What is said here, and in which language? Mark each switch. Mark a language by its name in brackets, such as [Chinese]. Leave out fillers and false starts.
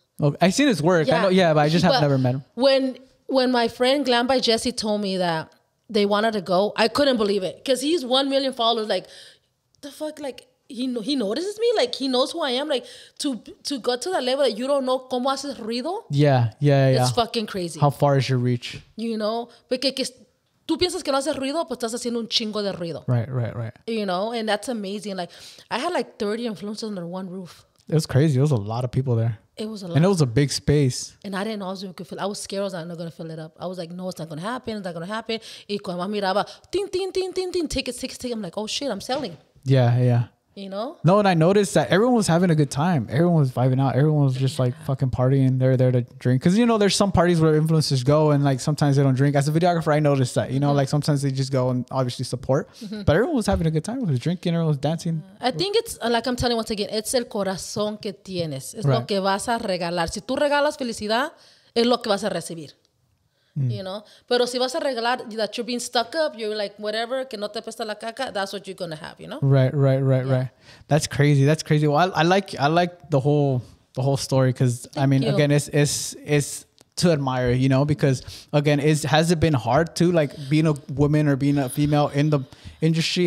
[English] Okay. I've seen his work. Yeah. I never met him. When my friend Glam by Jesse told me that they wanted to go, I couldn't believe it. Because he's 1 million followers. Like, the fuck? Like, he notices me? Like, he knows who I am? Like, to go to that level that you don't know [Spanish] cómo haces ruido? [English] Yeah. It's fucking crazy. How far is your reach? You know? [Spanish] Porque tú piensas que no haces ruido, pues estás haciendo un chingo de ruido. [English] Right. You know? And that's amazing. Like, I had like 30 influencers under one roof. It was crazy. There was a lot of people there. It was a lot. And it was a big space. And I didn't know if I could fill it. I was scared I was not going to fill it up. I was like, no, it's not going to happen. [Spanish] Y cuando miraba, [English] ting, ting, ting, ting, ting, ticket, I'm like, oh, shit, I'm selling. Yeah. you know? No, and I noticed that everyone was having a good time. Everyone was vibing out. Everyone was just like fucking partying. They're there to drink. Cause you know, there's some parties where influencers go and like sometimes they don't drink. As a videographer, I noticed that, you know, like sometimes they just go and obviously support, but everyone was having a good time. It was drinking, everyone was dancing. I think it's like, I'm telling you once again, it's [Spanish] el corazón que tienes. Es [English] right. [Spanish] lo que vas a regalar. Si tú regalas felicidad, es lo que vas a recibir. [English] You know, [Spanish] pero si vas a arreglar [English] that you're being stuck up, you're like, whatever, [Spanish] que no te pesta la caca, [English] that's what you're going to have, you know? Right. That's crazy. That's crazy. Well, I like the whole story because, I mean, you. Again, it's to admire, you know, because, again, has it been hard to, like, being a woman or being a female in the industry?